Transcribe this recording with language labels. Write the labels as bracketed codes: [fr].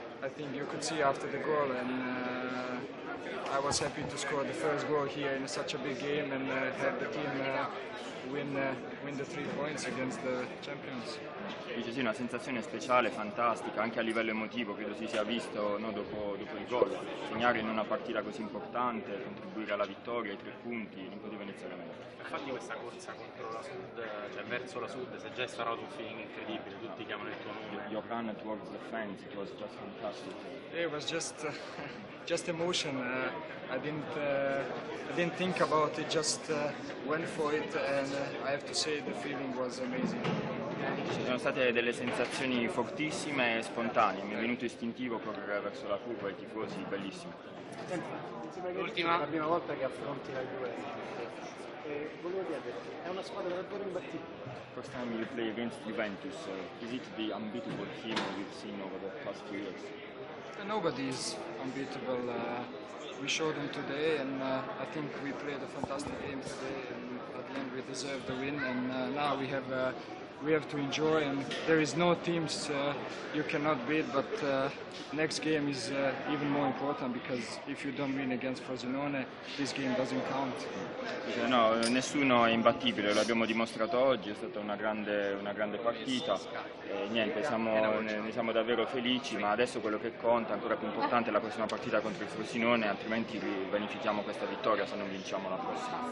[en] I think you could see after the goal, and I was happy to score the first goal here in such a big game and have the team win the three points against the champions. [it] Dice sì, una sensazione speciale, fantastica, anche a livello emotivo, credo si sia visto, no, dopo il gol. Segnare in una partita così importante, contribuire alla vittoria, ai tre punti, non poteva iniziare meglio. Infatti questa corsa contro la Sud, cioè verso la Sud, si è già instaurato un feeling incredibile, tutti chiamano il tuo nome. [en] Your run towards the fans, it was just fantastic. It was just emotion. I didn't think about it, just went for it, and I have to say the feeling was amazing. [it] Ci sono state delle sensazioni fortissime e spontanee, mi è venuto istintivo correre verso la curva, i tifosi, bellissimo. L'ultima. La prima volta che affronti la Juve. Volevo dire, è una squadra davvero imbattibile. [en] First time you play against Juventus, is it the unbeatable team you've seen over the past few years? Nobody is unbeatable. We showed them today, and I think we played a fantastic game today, and at the end we deserved the win, and now we have we have to enjoy, and there is no teams you cannot beat, but next game is even more important, because if you don't win against Frosinone, this game doesn't count. [it] No, nessuno è imbattibile, lo abbiamo dimostrato oggi, è stata una grande partita, e niente, ne siamo davvero felici, ma adesso quello che conta, ancora più importante, è la prossima partita contro il Frosinone, altrimenti vanifichiamo questa vittoria se non vinciamo la prossima.